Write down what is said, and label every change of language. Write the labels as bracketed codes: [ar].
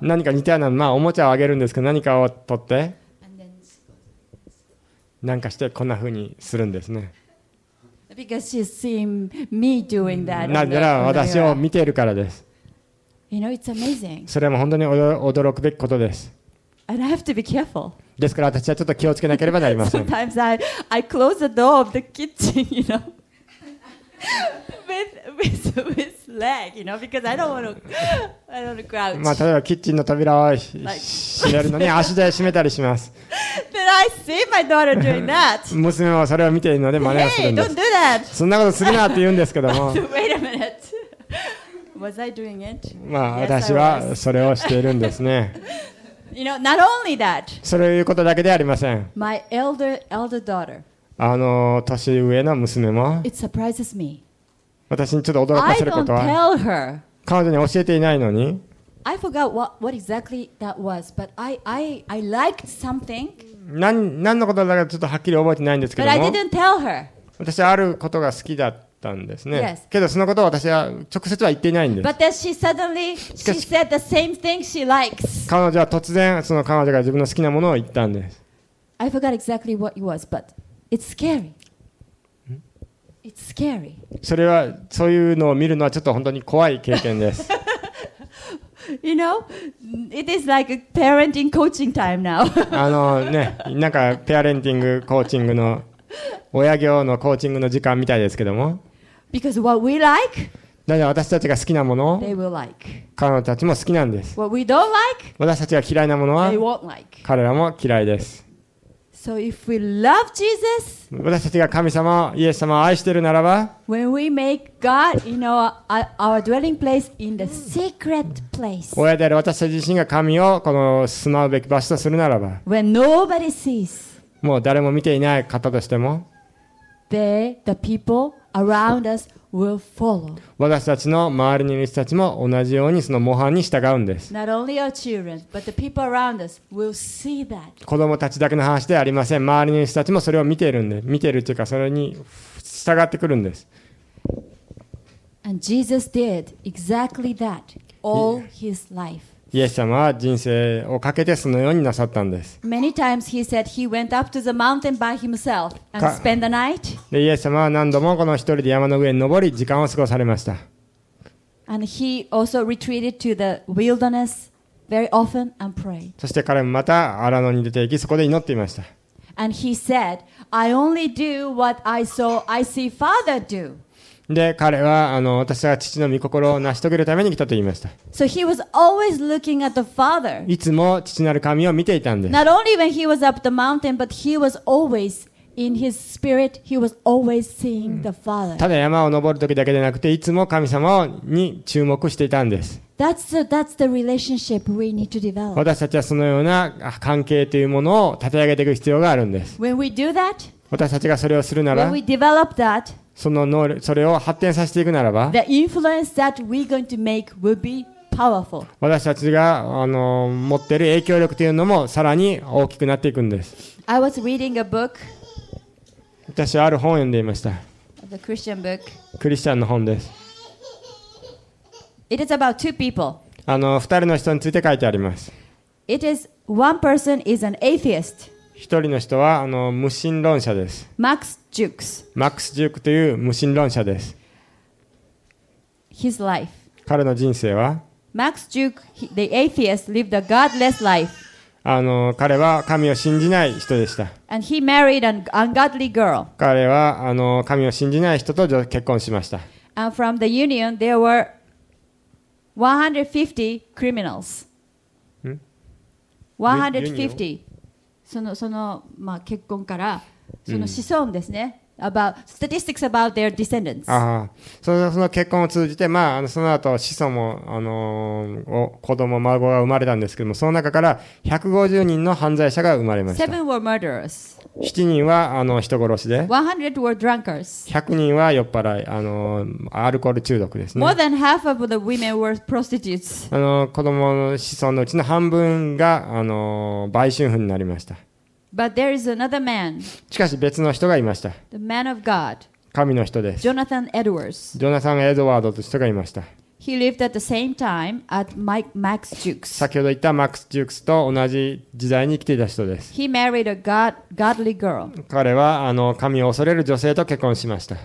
[ja] 何か似たような、まあ、おもちゃをあげるんですけど何かを取って何かしてこんな風にするんですね。 [en] Because she's seen me doing that. [ja] なぜなら私を見ているからです。 [en] You know, it's amazing. [ja] それも本当に驚くべきことです。 [en] And I have to be careful. [ja] ですから私はちょっと気をつけなければなりません。 [en] Sometimes I close the door of the kitchen, you know? with leg, you know, because I don't want to crouch. [ja] まあ例えばキッチンの扉を閉めるのに足で閉めたりします。 [en] Then I see my daughter doing that. [ja] 娘はそれを見ているので真似をするんです。 [en] Hey, don't do that. [ja] そんなことするなって言うんですけども。 [en] Wait a minute. Was I doing it? [ja] まあ私はそれをしているんですね。 [en] You know, not only that. [ja] そういうことだけではありません。 [en] My elder daughter. [ja] 年上の娘も [en] It surprises me. [ja] 私にちょっと驚かせることは [en] I don't tell her. [ja] 彼女に教えていないのに [en] I forgot what exactly that was, but I liked something. [ja] 何のことだかちょっとはっきり覚えてないんですけども [en] but I didn't tell her. [ja] 私はあることが好きだったんですね、 [en] yes. [ja] けどそのことを私は直接は言っていないんです [en] but then she suddenly, she said the same thing she likes. [ja] 彼女は突然その彼女が自分の好きなものを言ったんです [en] I forgot exactly what it was, butIt's scary. It's scary. [ja] それはそういうのを見るのはちょっと本当に怖い経験です。 [en] You know, it is like a parenting coaching time now. [ja] ね、なんかペアレンティングコーチングの親業のコーチングの時間みたいですけども。 [en] Because what we like, [ja] だから私たちが好きなものを、 [en] they will like. [ja] 彼女たちも好きなんです。 [en] What we don't like, [ja] 私たちが嫌いなものは、 [en] they won't like. [ja] 彼らも嫌いです。 [en] So if we love Jesus, [ja] 私たちが神様、イエス様を愛しているならば、 [en] when we make God, you know, our dwelling place in the secret place, [ja] 親である私たち自身が神をこの住まうべき場所とするならば、 [en] when nobody sees, [ja] もう誰も見ていない方としても、 [en] they, the people around us will follow. [ja] 私たちの周りにいる人たちも同じようにその模範に従うんです。 [en] Not only our children, but the people around us will see that. [ja] 子供たちだけの話ではありません。周りにいる人たちもそれを見ているんで、見ているというかそれに従ってくるんです。 [en] And Jesus did exactly that all his life. [ja] イエス様は人生をかけてそのようになさったんです。 [en] Many times he said he went up to the mountain by himself and spent the night. [ja] で、イエス様は何度もこの一人で山の上に登り時間を過ごされました。 [en] And he also retreated to the wilderness very often and prayed. [ja] そして彼もまた荒野に出て行きそこで祈っていました。 [en] And he said, I only do what I see Father do. [ja] で彼は私は父の御心を成し遂げるために来たと言いました。 [en] So he was always looking at the Father. [ja] いつも父なる神を見ていたんです。 [en] Not only when he was up the mountain, but he was always in his spirit. He was always seeing the Father. [ja] ただ山を登る時だけでなくて、いつも神様に注目していたんです。 [en] That's the relationship we need to develop. [ja] 私たちはそのような関係というものを立て上げていく必要があるんです。 [en] When we do that, [ja] 私たちがそれをするなら、 [en] when we develop that. [ja] その能力、それを発展させていくならば、私たちが持っている影響力というのもさらに大きくなっていくんです。 [en] I was reading a book. [ja] 私はある本を読んでいました。 [en] The Christian book. [ja] クリスチャンの本です。 [en] It is about two people. [ja] 二人の人について書いてあります。 [en] It is one person is an atheist. [ja] 一人の人は無神論者です。 [en] Max Jukes。 [ja] Max Jukes という無神論者です。 [en] His life. [ja] 彼の人生は [en] Max Jukes, the atheist, lived a godless life. [ja] あの彼は神を信じない人でした。 [en] And he married an ungodly girl. [ja] 彼はあの神を信じない人と結婚しました。 [en] And from the union, there were 150 criminals. 150. [ja] その、まあ、結婚からその子孫ですね。 [en] About statistics about their descendants. [ja] ああ、その結婚を通じて、まあ、あのその後子孫も、子供孫が生まれたんですけども、その中から150人の犯罪者が生まれました。 [en] Seven were murderers. [ja] 7人はあの人殺しで。 [en] 100 were drunkards. [ja] 100人は酔っ払い、アルコール中毒ですね。 [en] More than half of the women were prostitutes. [ja] 子供の子孫のうちの半分が売春婦になりました。 [en] But there is another man. [ja] しかし別の人がいました。 [en] The man of God. [ja] 神の人です。 [en] Jonathan Edwards. [ja] ジョナサン・エドワードという人がいました。 [en] He lived at the same time at Max Jukes. [ja] 先ほど言ったマックス・ジュークスと同じ時代に生きていた人です。 [en] He married a godly girl. [ja] 彼は神を恐れる女性と結婚しました。